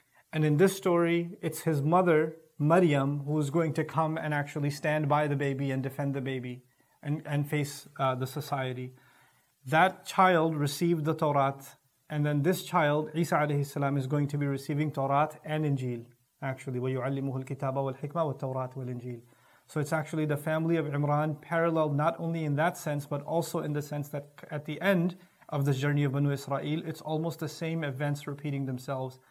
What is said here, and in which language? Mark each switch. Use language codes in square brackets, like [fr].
[en] And in this story, it's his mother, Maryam, who is going to come and actually stand by the baby and defend the baby and face the society. That child received the Torah, and then this child, Isa alayhi salam, is going to be receiving Torah and Injil. [ar] Actually, وَيُعَلِّمُهُ الْكِتَابَ وَالْحِكْمَةَ وَالتَّوْرَاةَ وَالْإِنْجِيلَ. [en] So it's actually the family of Imran paralleled not only in that sense, but also in the sense that at the end of this journey of Banu Israel, it's almost the same events repeating themselves.